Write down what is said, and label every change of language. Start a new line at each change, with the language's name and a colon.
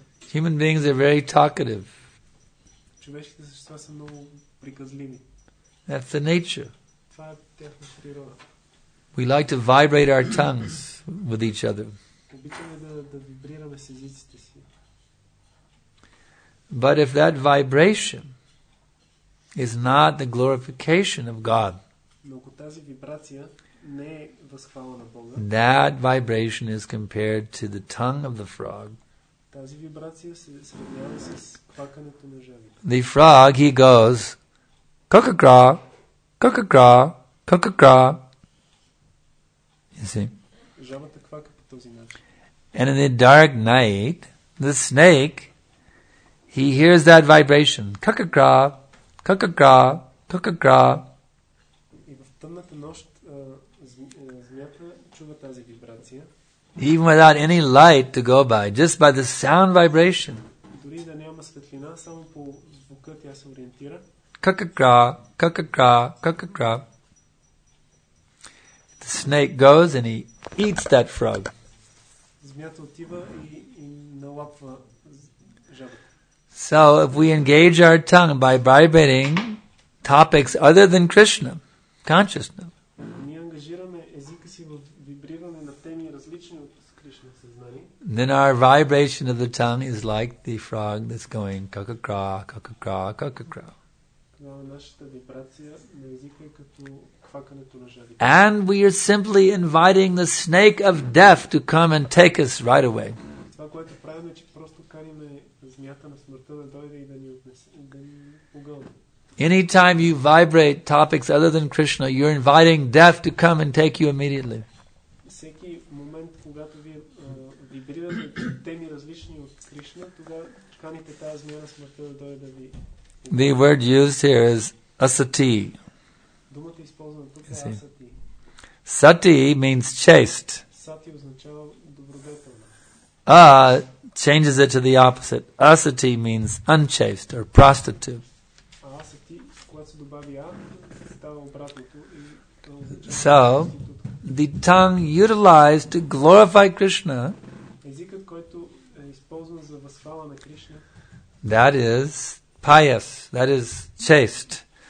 English: Human beings are very talkative.
Bulgarian: Човешките същества са много приказливи.
English: That's the nature.
Bulgarian: Това е тяхна природа.
English: We like to vibrate our tongues with each other.
Bulgarian: Обичаме да вибрираме с езиците си.
English: But if that vibration is not the glorification of God,
Bulgarian: но ако тази вибрация не е възхвала на Бога,
English: that vibration is compared to the tongue of the frog.
Bulgarian: Тази вибрация се сравнява с квакането на жабата.
English: The frog, he goes, ка-ка-кра, ка-ка-кра, ка-ка-кра. You see?
Bulgarian: Жабата квака по този начин.
English: And in the dark night, the snake, he hears that vibration. Ка-ка-кра, ка-ка-кра, ка-ка-кра.
Bulgarian: И в тъмната нощ змията чува тази вибрация.
English: Even without any light to go by, just by the sound vibration.
Bulgarian: Дори да няма светлина, само по звука тя се ориентира. Ка-ка-кра, ка-ка-кра, ка-ка-кра.
English: The snake goes and he eats that frog.
Bulgarian: Змията отива и налапва жабата.
English: So if we engage our tongue by vibrating topics other than Krishna consciousness,
Bulgarian: ние ангажираме езика си в вибриране на теми различни от Кришна съзнание,
English: then our vibration of the tongue is like the frog that's going ка-ка-кра, ка-ка-кра, ка-ка-кра.
Bulgarian: Нашата вибрация на езика е като квакането на жабите.
English: And we are simply inviting the snake of death to come and take us right away.
Bulgarian: Това, което правим, е, че просто каниме змията на смъртта да дойде и да ни отнесе, да ни погълне.
English: Anytime you vibrate topics other than Krishna, you're inviting death to come and take you immediately.
Bulgarian: Всеки момент, когато вие вибрирате теми различни от Кришна, тогава каните тази змия на смъртта да дойде да ви.
English: The word used here is asati.
Bulgarian: Думата използвана тук е asati.
English: Sati means chaste.
Bulgarian: Sati означава добродетелна.
English: Changes it to the opposite. Asati means unchaste or prostitute.
Bulgarian: Asati, когато се добави а, става обратното и
English: so, the tongue utilized to glorify Krishna.
Bulgarian: Езикът, който е използван за възхвала на Кришна.
English: That is pious, that is chaste.